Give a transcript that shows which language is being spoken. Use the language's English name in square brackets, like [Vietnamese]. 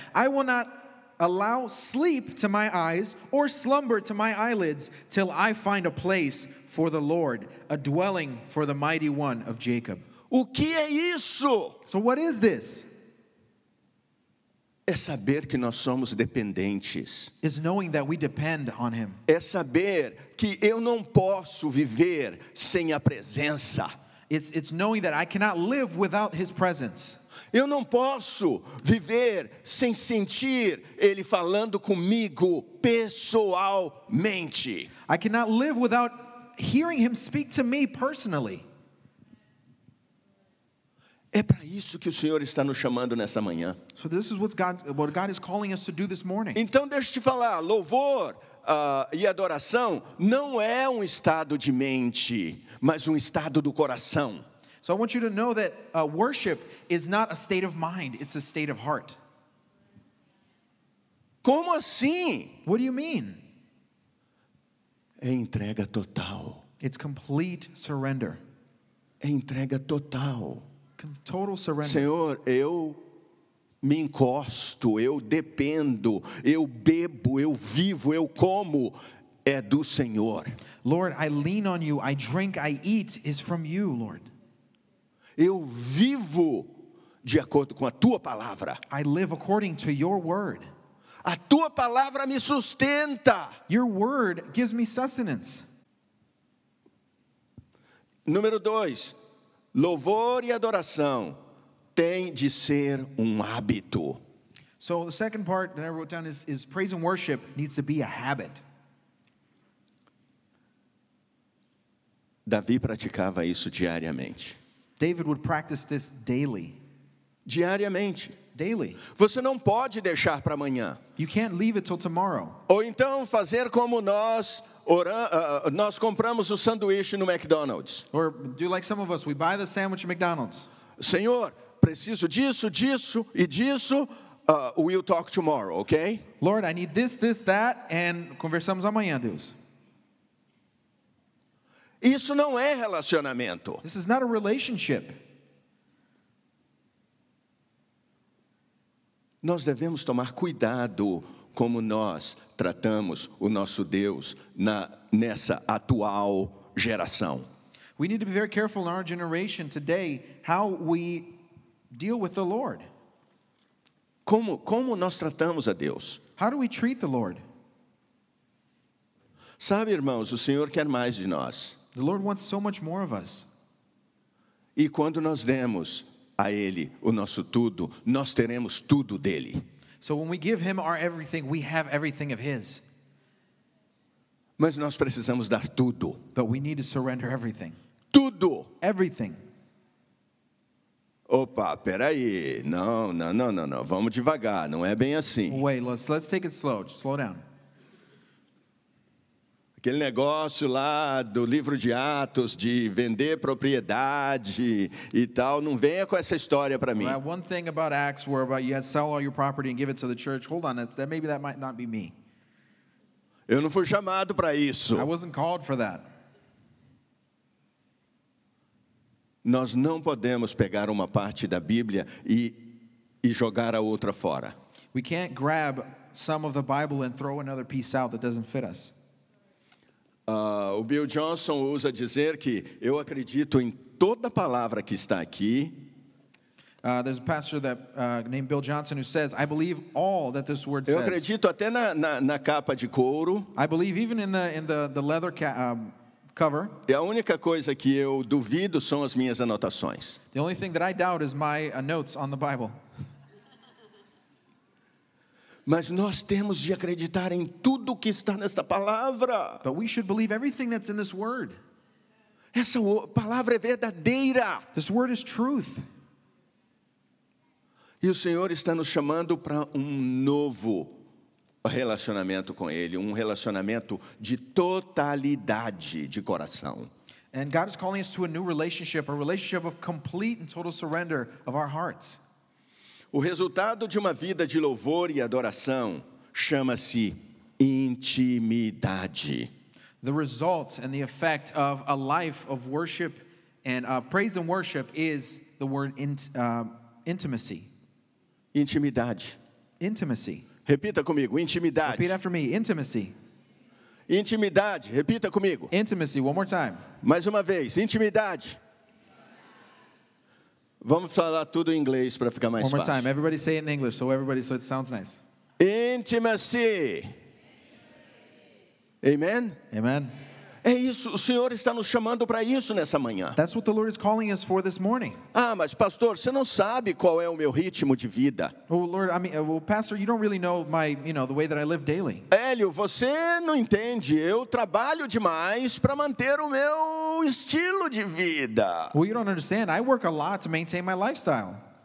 [English] I will not allow sleep to my eyes or slumber to my eyelids till I find a place for the Lord, a dwelling for the Mighty One of Jacob. [Portuguese] O que é isso? [English] So what is this? [Portuguese] É saber que nós somos dependentes. [English] Is knowing that we depend on him. [Portuguese] É saber que eu não posso viver sem a presença. [English] It's knowing that I cannot live without his presence. [Portuguese] Eu não posso viver sem sentir ele falando comigo pessoalmente. [English] I cannot live without hearing him speak to me personally. [Portuguese] É para isso que o Senhor está nos chamando nessa manhã. [English] So this is what God is calling us to do this morning. [Portuguese] Então deixa eu te falar, louvor e adoração não é um estado de mente, mas um estado do coração. [English] So I want you to know that worship is not a state of mind, it's a state of heart. [Portuguese] Como assim? [English] What do you mean? [Portuguese] É entrega total. [English] It's complete surrender. [Portuguese] É entrega total. [English] Total surrender. [Portuguese] Senhor, eu me encosto, eu dependo, eu bebo, eu vivo, eu como, é do Senhor. [English] Lord, I lean on you, I drink, I eat, is from you, Lord. [Portuguese] Eu vivo de acordo com a tua palavra. [English] I live according to your word. [Portuguese] A tua palavra me sustenta. [English] Your word gives me sustenance. [Portuguese] Número 2. Louvor e adoração tem de ser um hábito. [English] So the second part that I wrote down is praise and worship needs to be a habit. [Portuguese] Davi praticava isso diariamente. [English] David would practice this daily. [Portuguese] Diariamente. [English] Daily. [Portuguese] Você não pode deixar para amanhã. [English] You can't leave it till tomorrow. [Portuguese] Ou então fazer como nós. Nós compramos o sanduíche no McDonald's. [English] Or do like some of us, we buy the sandwich at McDonald's. [Portuguese] Senhor, preciso disso, disso e disso. [English] We'll talk tomorrow, okay? Lord, I need this, this, that, and [Portuguese] conversamos amanhã, Deus. Isso não é relacionamento. [English] This is not a relationship. [Portuguese] Nós devemos tomar cuidado como nós tratamos o nosso Deus nessa atual geração. [English] We need to be very careful in our generation today how we deal with the Lord. [Portuguese] Como nós tratamos a Deus? [English] How do we treat the Lord? [Portuguese] Sabe, irmãos, o Senhor quer mais de nós. [English] The Lord wants so much more of us. [Portuguese] E quando nós demos a Ele o nosso tudo, nós teremos tudo dEle. [English] So when we give Him our everything, we have everything of His. [Portuguese] Mas nós precisamos dar tudo. [English] But we need to surrender everything. [Portuguese] Tudo. [English] Everything. [Portuguese] Opa, peraí. Não. Vamos devagar. Não é bem assim. [English] Wait, let's take it slow. Just slow down. [Portuguese] Aquele negócio lá do livro de Atos de vender propriedade e tal, não venha com essa história para mim. [English] That one thing about Acts where about you had sell all your property and give it to the church. Hold on, that might not be me. [Portuguese] Eu não fui chamado para isso. [English] I wasn't called for that. [Portuguese] Nós não podemos pegar uma parte da Bíblia e jogar a outra fora. [English] We can't grab some of the Bible and throw another piece out that doesn't fit us. [Portuguese] O Bill Johnson usa dizer que eu acredito em toda palavra que está aqui. [English] There's a pastor that named Bill Johnson who says, I believe all that this word says. [Portuguese] Eu acredito até na capa de couro. [English] I believe even in the leather cover. [Portuguese] E a única coisa que eu duvido são as minhas anotações. [English] The only thing that I doubt is my notes on the Bible. [Portuguese] Mas nós temos de acreditar em tudo que está nesta palavra. [English] But we should believe everything that's in this word. [Portuguese] Essa palavra é verdadeira. [English] This word is truth. [Portuguese] E o Senhor está nos chamando para um novo relacionamento com Ele, um relacionamento de totalidade de coração. [English] And God is calling us to a new relationship, a relationship of complete and total surrender of our hearts. [Portuguese] O resultado de uma vida de louvor e adoração chama-se intimidade. [English] The result and the effect of a life of worship and of praise and worship is the word intimacy. [Portuguese] Intimidade. [English] Intimacy. [Portuguese] Repita comigo, intimidade. [English] Repeat after me, intimacy. [Portuguese] Intimidade, repita comigo. [English] Intimacy, one more time. [Portuguese] Mais uma vez, intimidade. Vamos falar tudo em inglês para ficar mais fácil. [English] One more time, everybody say it in English, so it sounds nice. Intimacy. Amen? Amen. [Portuguese] É isso, o Senhor está nos chamando para isso nessa manhã. [English] That's what the Lord is calling us for this morning. [Portuguese] Ah, mas pastor, você não sabe qual é o meu ritmo de vida. [English] Oh, Lord, pastor, you don't really know the way that I live daily. [Portuguese] Hélio, você não entende, eu trabalho demais para manter o meu estilo de vida. [English] Well, you don't understand, I work a lot to maintain my lifestyle.